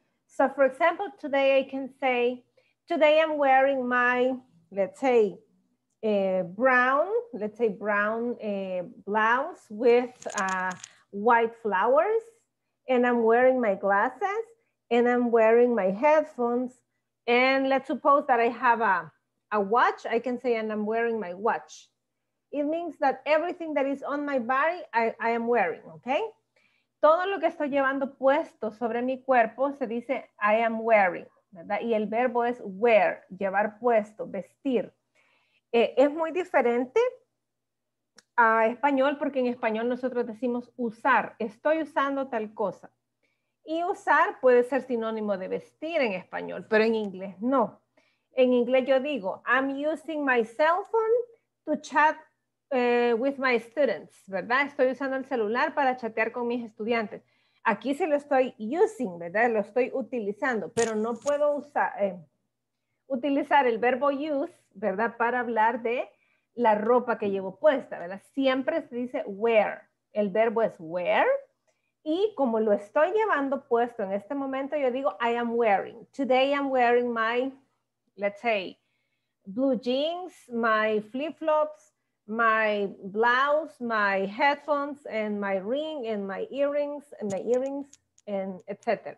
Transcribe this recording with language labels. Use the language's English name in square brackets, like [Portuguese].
[English] So for example, today I can say, today I'm wearing my, let's say, brown blouse with white flowers, and I'm wearing my glasses, and I'm wearing my headphones, and let's suppose that I have a watch, I can say, and I'm wearing my watch. It means that everything that is on my body, I am wearing, okay? [Spanish] Todo lo que estoy llevando puesto sobre mi cuerpo se dice [English] I am wearing, [Spanish] ¿verdad? Y el verbo es wear, llevar puesto, vestir. Es muy diferente a español porque en español nosotros decimos usar, estoy usando tal cosa. Y usar puede ser sinónimo de vestir en español, pero en inglés no. En inglés yo digo [English] I'm using my cell phone to chat with my students, ¿verdad? [Spanish] Estoy usando el celular para chatear con mis estudiantes. Aquí sí lo estoy using, ¿verdad? Lo estoy utilizando, pero no puedo utilizar el verbo use, ¿verdad? Para hablar de la ropa que llevo puesta, ¿verdad? Siempre se dice wear. El verbo es wear. Y como lo estoy llevando puesto en este momento, yo digo [English] I am wearing. Today I'm wearing my, let's say, blue jeans, my flip-flops, my blouse, my headphones, and my ring, and my earrings, and etc.